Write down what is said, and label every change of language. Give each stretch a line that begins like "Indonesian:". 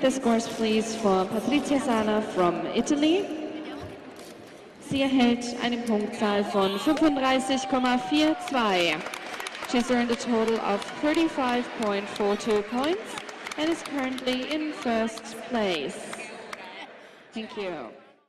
English: The scores, please, for Patricia Sala from Italy.
German: Sie erhält eine Punktzahl von 35,42.
English: She's earned a total of 35.42 points and is currently in first place. Thank you.